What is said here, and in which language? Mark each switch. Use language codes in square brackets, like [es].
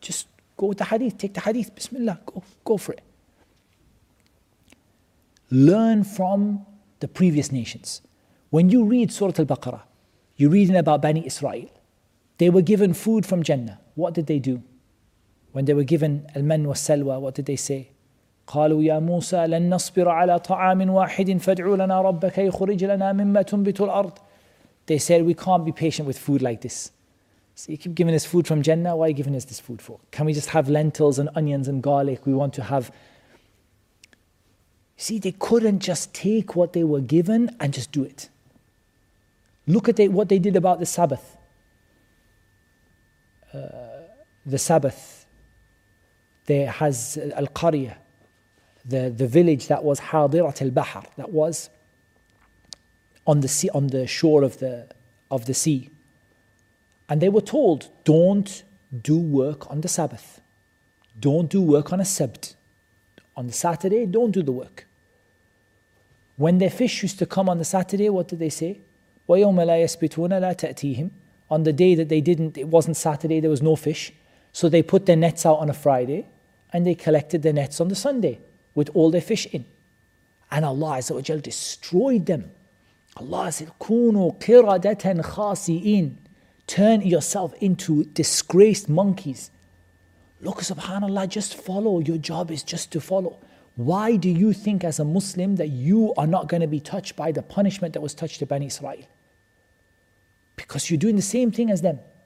[en] Just go with the hadith, take the hadith, bismillah, go for it. Learn from the previous nations. When you read Surah Al-Baqarah, you're reading about Bani Israel. They were given food from Jannah. What did they do? When they were given al-man wa salwa, what did they say? [ar] قالوا يا موسى لن نصبر على طعام واحد فادع لنا ربك يخرج لنا مما تنبت الأرض. [en] They said, we can't be patient with food like this. So you keep giving us food from Jannah, why are you giving us this food for? Can we just have lentils and onions and garlic? We want to have... See, they couldn't just take what they were given and just do it. Look at what they did about the Sabbath. The Sabbath. There has Al-Qariya, the village that was Hadirat al-Bahar, that was on the sea, on the shore of the sea. And they were told, don't do work on the Sabbath. Don't do work on a Sabt. On the Saturday, don't do the work. When their fish used to come on the Saturday, what did they say? [ar] وَيَوْمَ لَا يَسْبِتُونَ لَا تَأْتِيهِمْ. [en] On the day that they didn't, it wasn't Saturday, there was no fish. So they put their nets out on a Friday, and they collected their nets on the Sunday with all their fish in. And Allah Azza wa Jal destroyed them. Allah said, [ar] كُونُوا قِرَدَةً خَاسِئِينَ. [en] Turn yourself into disgraced monkeys. Look, subhanAllah, just follow. Your job is just to follow. Why do you think as a Muslim that you are not going to be touched by the punishment that was touched to Bani Israel? Because you're doing the same thing as them.